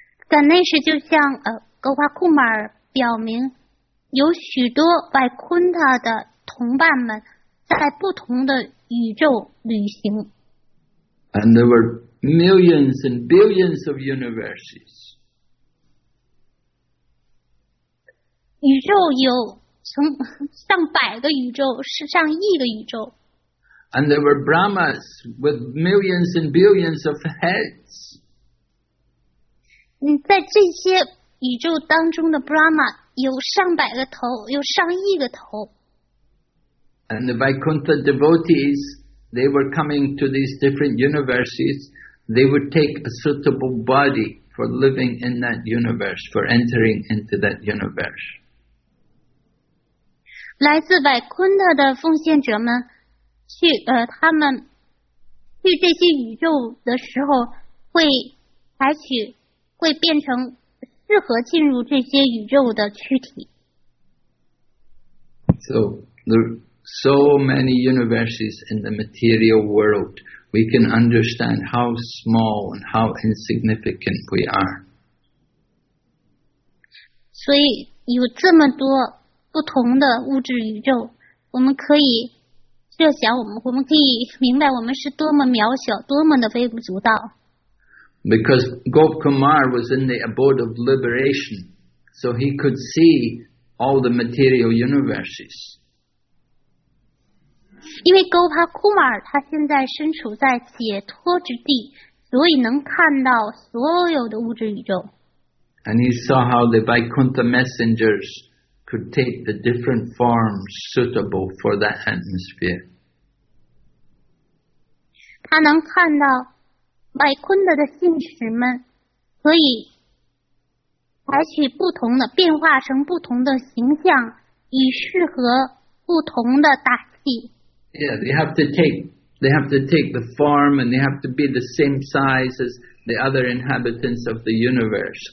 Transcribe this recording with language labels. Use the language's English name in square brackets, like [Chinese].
[Chinese] Ganesh 就向Gopa Kumar 表明，有许多 Vaikuntha 的同伴们在不同的宇宙旅行。 [English] And there were millions and billions of universes. [Chinese] 宇宙有从上百个宇宙，是上亿个宇宙。 [English] And there were Brahmas with millions and billions of heads. [Chinese] 在这些宇宙当中的 Brahma 有上百个头，有上亿个头。 [English] And the Vaikuntha devotees, they were coming to these different universes, they would take a suitable body for living in that universe, for entering into that universe. [Chinese] 来自百昆特的奉献者们去他们去这些宇宙的时候会变成适合进入这些宇宙的躯体。 [English] So, there are so many universes in the material world, we can understand how small and how insignificant we are. [Chinese] 所以有这么多不同的物质宇宙，我们可以设想，我们可以明白我们是多么渺小，多么的微不足道。 [English] Because Gop Kumar was in the abode of liberation, so he could see all the material universes. [Chinese] 因为 Gopa Kumar 他现在身处在解脱之地，所以能看到所有的物质宇宙。 [English] And he saw how the Vaikuntha messengers. Could take the different forms suitable for that atmosphere. [Chinese] 他能看到百昆德的信使们可以采取不同的变化成不同的形象，以适合不同的大气。 [English] Yeah, they have to take the form, and they have to be the same size as the other inhabitants of the universe.